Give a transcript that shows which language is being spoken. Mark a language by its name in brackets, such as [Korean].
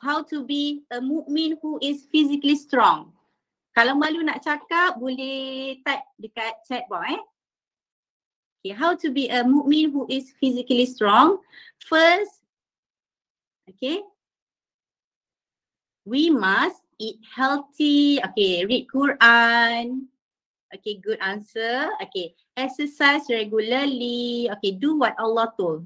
[English] How to be a mu'min who is physically strong? [Malay] Kalau malu nak cakap, boleh type dekat chat box eh. [English] Okay, how to be a mu'min who is physically strong? First, okay, we must eat healthy. Okay, read Quran. Okay, good answer. Okay, exercise regularly. Okay, do what Allah told.